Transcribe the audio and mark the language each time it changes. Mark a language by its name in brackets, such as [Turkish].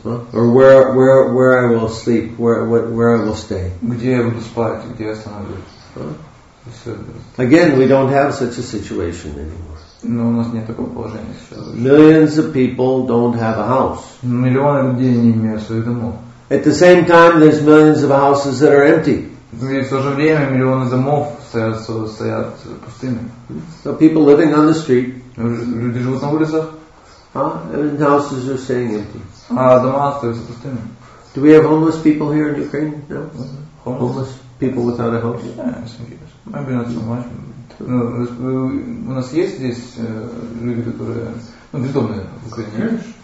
[English] Or where I will sleep, where I will stay. [Russian] Где я буду спать, где я остановлюсь. [English] Again, we don't have such a situation anymore. [Russian] Но у нас нет такого положения сейчас. [English] Millions of people don't have a house. [Russian] Миллионы людей не имеют своих домов. [English] At the same time, there's millions of houses that are empty. [Russian] И в то же время миллионы домов стоят пустыми. [English] So people living on the street. [Russian] Люди живут на улицах. [English] And houses are staying empty. [Russian] А дома остаются пустыми. [English] Do we have homeless people here in Ukraine? No. Homeless people without a house. Yes, yes. Maybe not so much. [Russian] Ну, у нас есть здесь люди, которые, ну, бездомные в Украине.